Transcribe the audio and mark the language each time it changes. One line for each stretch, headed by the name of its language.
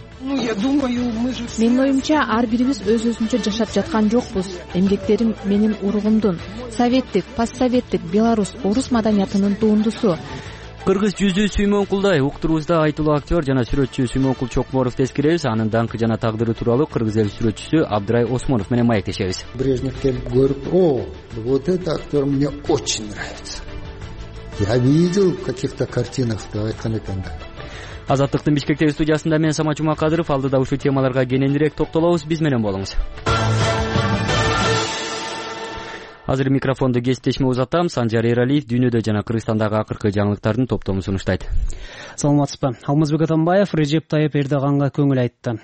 Kyrgyz: Менин оюмча, ар бирибиз өз өзүнчө жашап жаткан жокпуз. Эмгектерим менин уругумдун. Советтик, постсоветтик Беларусь орус маданиятынын туундусу. Кыргыз жүзү Сүймөнкулдай. Уктурубузда айтылуу актер жана сүрөтчү Сүймөнкул Чокморовду эскеребиз. Анын даңкы жана тагдыры тууралуу кыргыз эл сүрөтчүсү Абдырай Осмонов менен маектешебиз.
Russian: Брежнев
Kyrgyz: келип көрүп,
Russian: вот этот актер мне очень нравится. Я видел в каких-то картинах, да,
Kyrgyz: айткан экен да. Азаттыктын Бишкектеги студиясында мен Самат Жумакадыров, алдыда ушул темаларга кененирээк токтолобуз. Биз менен болуңуз. Азыр микрофонду кесиптешиме узатам. Санжар Эралиев дүйнөдө жана Кыргызстандагы акыркы жаңылыктардын топтомун сунуштайт. Саламатсызбы. Алмазбек Атамбаев Режеп Тайып Эрдоганга көңүл айтты.